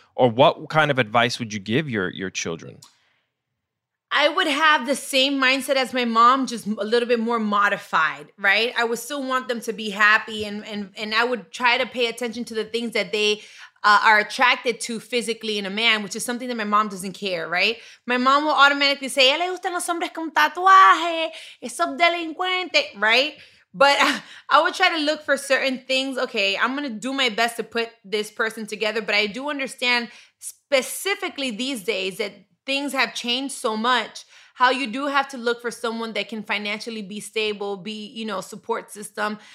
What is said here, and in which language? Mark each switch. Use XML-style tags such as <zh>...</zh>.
<en>Or what kind of advice would you give your children? I would have the same mindset as my mom, just a little bit more modified, right? I would still want them to be happy and I would try to pay attention to the things that they are attracted to physically in a man, which is something that my mom doesn't care, right? My mom will automatically say,</en> <es>¿Le gustan los hombres con tatuaje? ¿Esos delincuentes?</es> <en>Right? But I would try to look for certain things. Okay, I'm going to do my best to put this person together, but I do understand specifically these days that things have changed so much, how you do have to look for someone that can financially be stable, be, you know, support system.</en>